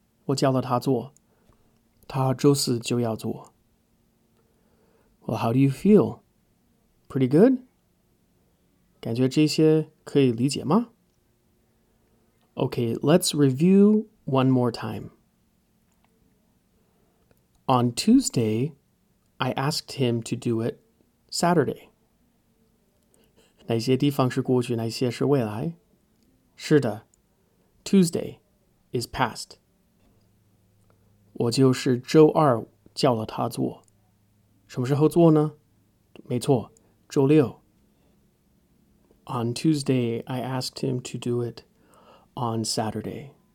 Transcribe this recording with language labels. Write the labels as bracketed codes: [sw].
[zh] 我叫了他做，他周四就要做。 [en] Well, how do you feel? Pretty good? [zh] 感觉这些可以理解吗？ [en] Okay, let's review one more time. On Tuesday, I asked him to do it Saturday. [zh] 哪些地方是过去，哪些是未来？是的， [en] Tuesday is past. [zh] 我就是周二叫了他做。什么时候做呢？没错，周六。 [en] On Tuesday, I asked him to do it on Saturday.